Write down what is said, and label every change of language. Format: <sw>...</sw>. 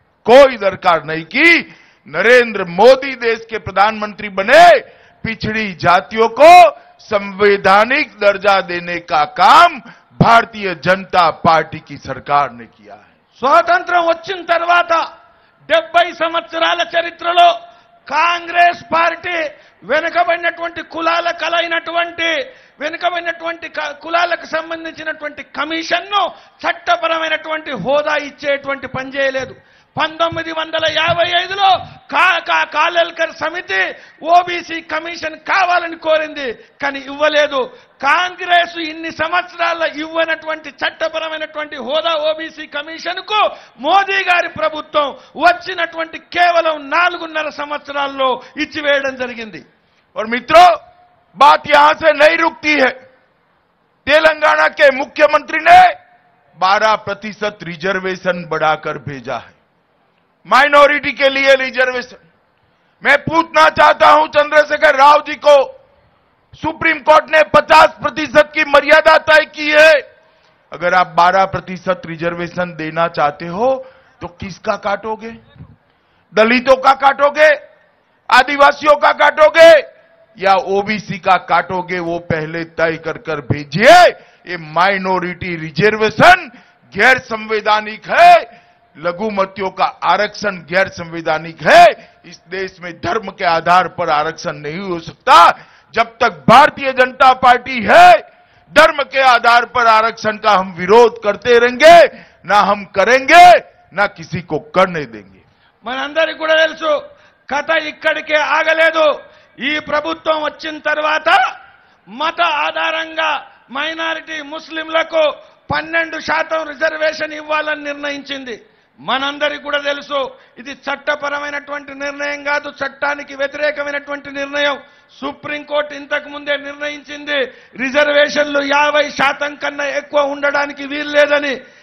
<hi>कोई दरकार नहीं की नरेंद्र मोदी देश के प्रधानमंत्री बने पिछड़ी जातियों को संवैधानिक दर्जा देने का काम भारतीय जनता पार्टी की सरकार ने किया है</hi> <te>स्वतंत्र వచ్చిన తర్వాత 70 సంవత్సరాల చరిత్రలో कांग्रेस पार्टी వెనకబడినటువంటి కులాల కలయినటువంటి వెనకబడినటువంటి కులాలకు సంబంధించినటువంటి కమిషన్ను చట్టపరమైనటువంటి హోదా ఇచ్చేటువంటి పని చేయలేదు 1955 లో కాకా కాలేల్కర్ సమితి ఓబీసీ కమిషన్ కావాలని కోరింది కానీ ఇవ్వలేదు కాంగ్రెస్ ఇన్ని సంవత్సరాల ఇవ్వనటువంటి చట్టపరమైనటువంటి హోదా ఓబీసీ కమిషన్కు మోదీ గారి ప్రభుత్వం వచ్చినటువంటి కేవలం 4.5 సంవత్సరాల్లో ఇచ్చివేయడం జరిగింది</te> <hi>ఔర్ మిత్రో बात यहां से नहीं रुकती है तेलंगाना के मुख्यमंत्री ने 12% रिजर्वेशन बढ़ाकर भेजा है माइनॉरिटी के लिए रिजर्वेशन मैं पूछना चाहता हूं चंद्रशेखर राव जी को सुप्रीम कोर्ट ने 50% की मर्यादा तय की है अगर आप 12% रिजर्वेशन देना चाहते हो तो किसका काटोगे दलितों का काटोगे आदिवासियों का काटोगे या ओबीसी का काटोगे वो पहले तय कर भेजिए ये माइनॉरिटी रिजर्वेशन गैर संवैधानिक है लघुमतियों का आरक्षण गैर संवैधानिक है इस देश में धर्म के आधार पर आरक्षण नहीं हो सकता जब तक भारतीय जनता पार्टी है धर्म के आधार पर आरक्षण का हम विरोध करते रहेंगे ना हम करेंगे ना किसी को करने देंगे</hi> <te>मन अंदर कथा इकड़के आगलेदो ఈ ప్రభుత్వం వచ్చిన తర్వాత మత ఆధారంగా మైనారిటీ ముస్లింలకు 12% రిజర్వేషన్ ఇవ్వాలని నిర్ణయించింది మనందరికి కూడా తెలుసు ఇది చట్టపరమైనటువంటి నిర్ణయం కాదు చట్టానికి వ్యతిరేకమైనటువంటి నిర్ణయం సుప్రీం కోర్టు ఇంతకు ముందే నిర్ణయించింది రిజర్వేషన్లు 50% కన్నా ఎక్కువ ఉండడానికి వీల్లేదని</te>